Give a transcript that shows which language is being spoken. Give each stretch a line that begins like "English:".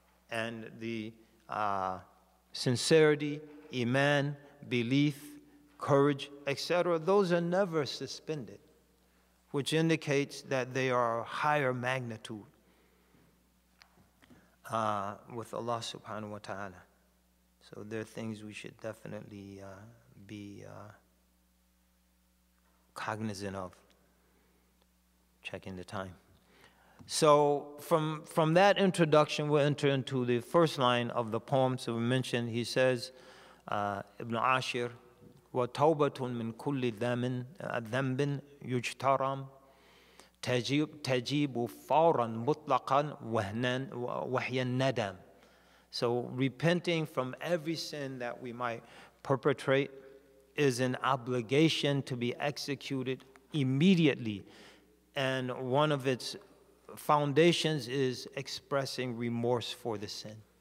English: And the sincerity, iman, belief, courage, etc., those are never suspended, which indicates that they are higher magnitude with Allah subhanahu wa ta'ala. So there are things we should definitely be cognizant of. Checking the time. So from that introduction, we'll enter into the first line of the poem. So we mentioned, he says, Ibn Ashir,
Arabic: وَتَوْبَةٌ مِنْ كُلِّ ذَنْبٍ يُجْتَرَمْ تَجِيبُ فَوْرًا مُطْلَقًا وَهْيَ النَّدَمْ.
English: So repenting from every sin that we might perpetrate is an obligation to be executed immediately. And one of its foundations is expressing remorse for the sin.